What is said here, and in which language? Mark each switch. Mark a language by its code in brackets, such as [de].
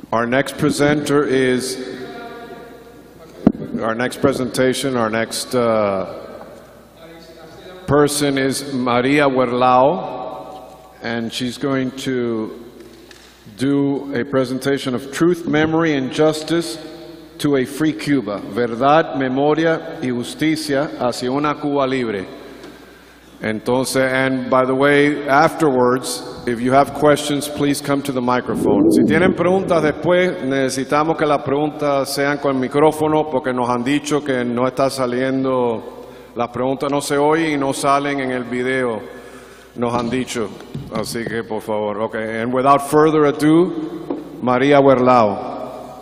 [en] Our next presenter is, our next presentation, our next person is Maria Werlau, and she's going to do a presentation of Truth, Memory, and Justice to a Free Cuba. [es] Verdad, Memoria, y Justicia hacia una Cuba Libre. Entonces, [en] and by the way, afterwards, if you have questions, please come to the microphone. [es] Si tienen preguntas después, necesitamos que las preguntas sean con el micrófono porque nos han dicho que no está saliendo, las preguntas no se oyen y no salen en el video. Nos han dicho. Así que, por favor. [en] Okay. And without further ado, [es] María Werlau.